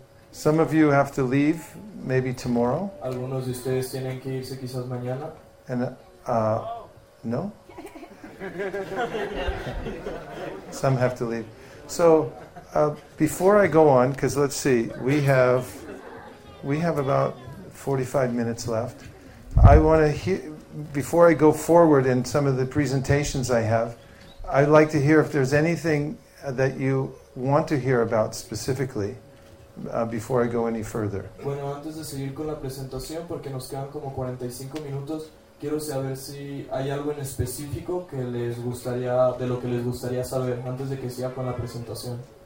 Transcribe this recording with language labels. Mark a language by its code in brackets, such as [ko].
[en] Some of you have to leave, maybe tomorrow. [es] Algunos de ustedes tienen que irse quizás mañana. [en] And, no? Some have to leave. So, before I go on, because let's see, we have about 45 minutes left. I want to hear, before I go forward in some of the presentations I have, I'd like to hear if there's anything that you want to hear about specifically before I go any further. [es] Bueno, antes de seguir con la presentación, porque nos quedan como 45 minutos, quiero saber si hay algo en específico que les gustaría, de lo que les gustaría saber antes de que siga con la presentación.